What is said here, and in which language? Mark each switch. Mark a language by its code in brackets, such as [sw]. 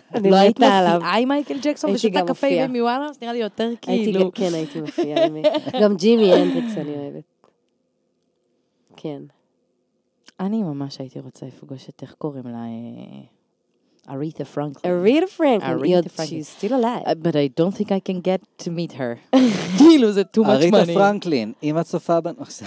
[he] לא היית מופיעה עם מייקל ג'קסון ושותה קפה עם אימי ויינהאוס? נראה לי יותר כאילו. כן, הייתי מופיעה עם... גם ג'ימי הנדריקס אני אוהבת. כן. אני ממש הייתי רוצה לפגוש את, איך קוראים לה? [en] Aretha Franklin. Aretha Franklin. Aretha Franklin. She's still alive. But I don't think I can get to meet her. [he] כאילו זה [en] too much money. [he] Aretha Franklin, אם את צופה בנו.